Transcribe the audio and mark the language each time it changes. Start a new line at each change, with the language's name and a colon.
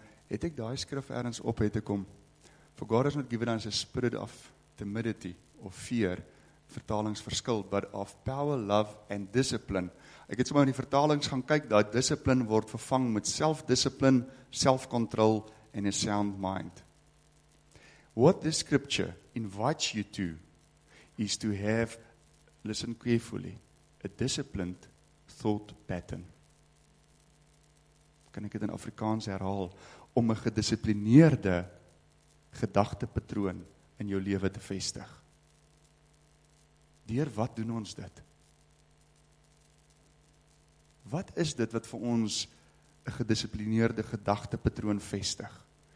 Afrikaans: Het ek die skrif ergens op het te kom?
English: For God has not given us a spirit of timidity of fear, vertalingsverskil, but of power, love and discipline.
Afrikaans: Ek het sommer in die vertalings gaan kyk, dat discipline word vervang met
English: self-discipline, self-control and a sound mind. What this scripture invites you to is to have, listen carefully, a disciplined thought pattern.
Afrikaans: Kan ek dit in Afrikaans herhaal? Om 'n gedissiplineerde gedagtepatroon in jou lewe te vestig. Deur wat doen ons dit? Wat is dit wat vir ons 'n gedissiplineerde gedagtepatroon vestig?